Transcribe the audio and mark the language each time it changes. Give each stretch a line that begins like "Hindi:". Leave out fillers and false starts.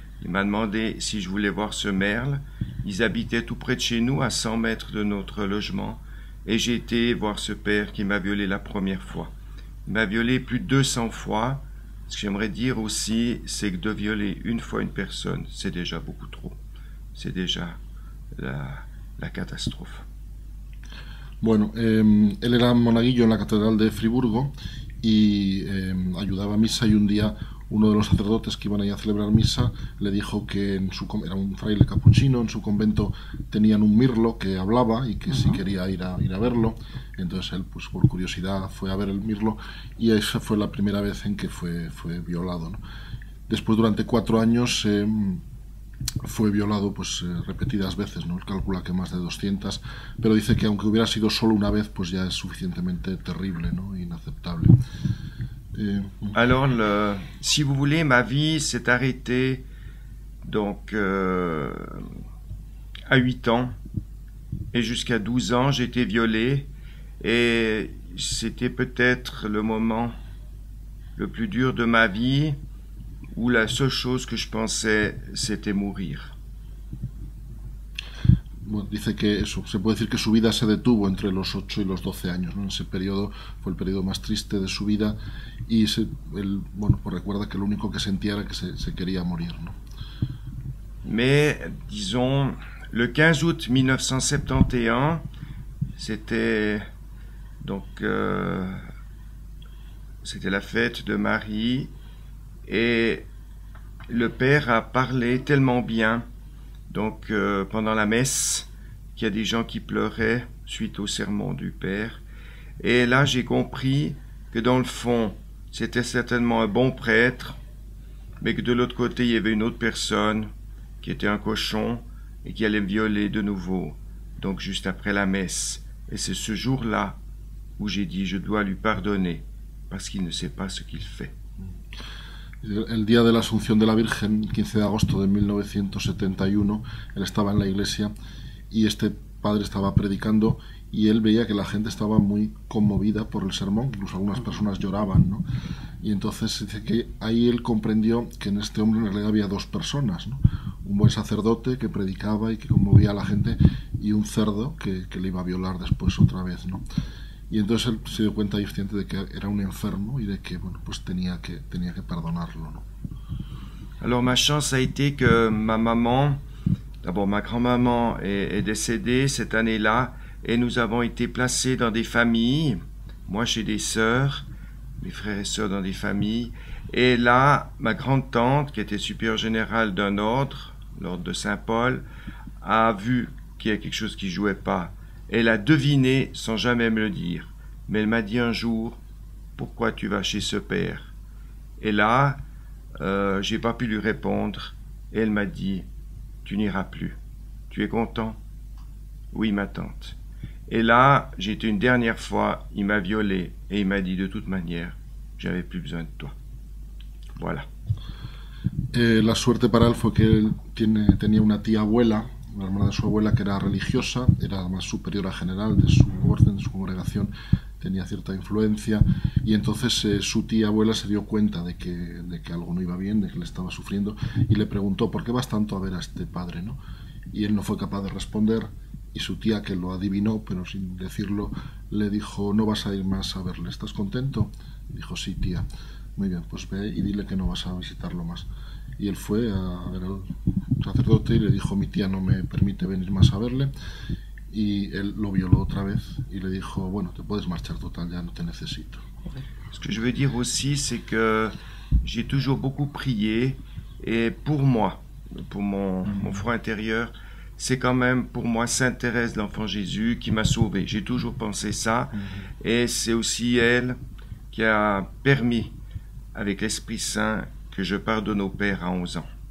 French: Il m'a demandé si je voulais voir ce merle, ils habitaient tout près de chez nous, à 100 mètres de notre logement, et j'ai été voir ce père qui m'a violé la première fois. m'a violé plus de 200 fois. Ce que j'aimerais dire aussi, c'est que de violer une fois une personne, c'est déjà beaucoup trop. C'est déjà la catastrophe.
Spanish: Bueno, él era monaguillo en la catedral de Friburgo y ayudaba a misa y un día uno de los sacerdotes que iban ahí a celebrar misa le dijo que era un fraile capuchino, en su convento tenían un mirlo que hablaba y que uh-huh. si quería ir a verlo. Entonces él, pues por curiosidad, fue a ver el mirlo y esa fue la primera vez en que fue violado, ¿no? Después, durante 4 años, fue violado pues repetidas veces, ¿no? Él calcula que más de 200, pero dice que aunque hubiera sido solo una vez, pues ya es suficientemente terrible, ¿no? Inaceptable.
French: Alors, si vous voulez, ma vie s'est arrêtée donc à 8 ans et jusqu'à 12 ans, j'ai été violé et c'était peut-être le moment le plus dur de ma vie où la seule chose que je pensais c'était mourir.
Spanish: Bueno, dice que eso, se puede decir que su vida se detuvo entre los 8 y los 12 años, ¿no? En ese periodo fue el periodo más triste de su vida y él recuerda que lo único que sentía era que se quería morir, ¿no?
French: Mais disons le 15 août 1971, c'était la fête de Marie et le père a parlé tellement bien donc pendant la messe. Il y a des gens qui pleuraient suite au sermon du père. Et là, j'ai compris que dans le fond, c'était certainement un bon prêtre, mais que de l'autre côté, il y avait une autre personne qui était un cochon et qui allait me violer de nouveau, donc juste après la messe. Et c'est ce jour-là où j'ai dit, je dois lui pardonner parce qu'il ne sait pas ce qu'il fait.
Spanish: El día de la Asunción de la Virgen, 15 de agosto de 1971, él estaba en la iglesia. Y este padre estaba predicando y él veía que la gente estaba muy conmovida por el sermón, incluso algunas personas lloraban, ¿no? Y entonces dice que ahí él comprendió que en este hombre en realidad había dos personas, ¿no? Un buen sacerdote que predicaba y que conmovía a la gente y un cerdo que le iba a violar después otra vez, ¿no? Y entonces él se dio cuenta suficiente de que era un enfermo y de que, bueno, pues tenía que perdonarlo, ¿no?
French: Alors ma chance a été que ma maman... D'abord, ma grand-maman est décédée cette année-là et nous avons été placés dans des familles, moi chez des sœurs, mes frères et sœurs dans des familles. Et là, ma grande-tante, qui était supérieure générale d'un ordre, l'ordre de Saint-Paul, a vu qu'il y a quelque chose qui ne jouait pas. Elle a deviné sans jamais me le dire. Mais elle m'a dit un jour, « Pourquoi tu vas chez ce père ?» Et là, je n'ai pas pu lui répondre et elle m'a dit, tu n'iras plus. Tu es content? Oui, ma tante. Et là, j'ai été une dernière fois, il m'a violé et il m'a dit de toute manière, j'avais plus besoin de toi. Voilà.
Spanish: La suerte para él fue que él tenía una tía abuela, una hermana de su abuela que era religiosa, era la más superiora general de su orden, de su congregación, tenía cierta influencia y entonces su tía abuela se dio cuenta de que algo no iba bien, de que le estaba sufriendo y le preguntó ¿por qué vas tanto a ver a este padre, ¿no? Y él no fue capaz de responder y su tía, que lo adivinó pero sin decirlo, le dijo ¿no vas a ir más a verle? ¿Estás contento? Y dijo sí, tía. Muy bien, pues ve y dile que no vas a visitarlo más. Y él fue a ver al sacerdote y le dijo mi tía no me permite venir más a verle. Y él lo violó otra vez y le dijo, bueno, te puedes marchar total, ya no te necesito.
French: Ce que je veux dire aussi, c'est que j'ai toujours beaucoup prié et pour moi, pour mon foi intérieur, c'est quand même pour moi Sainte Thérèse l'Enfant Jésus qui m'a sauvé. J'ai toujours pensé ça et c'est aussi elle qui a permis avec l'Esprit Saint que je pardonne au Père à 11 ans.